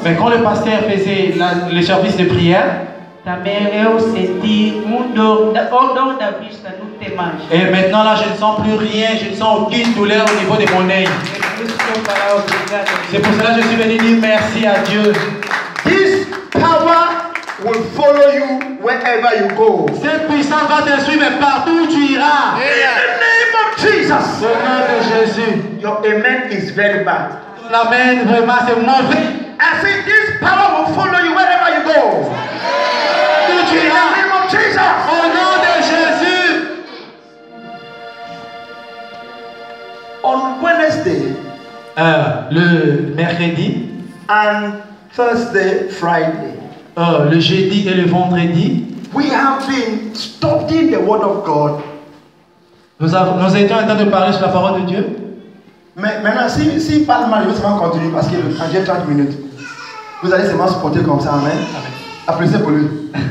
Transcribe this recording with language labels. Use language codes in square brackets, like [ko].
[fr] mais quand le pasteur faisait le service de prière, ta mère sentit nous te mange. Et maintenant là, je ne sens plus rien, je ne sens aucune douleur au niveau de mon œil. C'est pour cela que je suis venu dire merci à Dieu. [en] This power will follow you wherever you go. [fr] Cette puissance va te suivre partout où tu iras. [en] Yeah. Jesus. [fr] Le nom de Jésus. [en] Your amen is very bad. [fr] L'amen vraiment c'est mauvais. [en] I say this power will follow you wherever you go. Yeah. In the name of Jesus. [fr] Au nom de Jésus. [en] On Wednesday. [fr] Le mercredi. [en] And Thursday, Friday. [fr] Le jeudi et le vendredi. [en] We have been studying the word of God. [fr] Nous étions en train de parler sur la parole de Dieu. Mais maintenant, si parle mal, je vais continuer parce que j'ai 30 minutes. Vous allez seulement supporter comme ça, amen. Amen. Appréciez pour lui.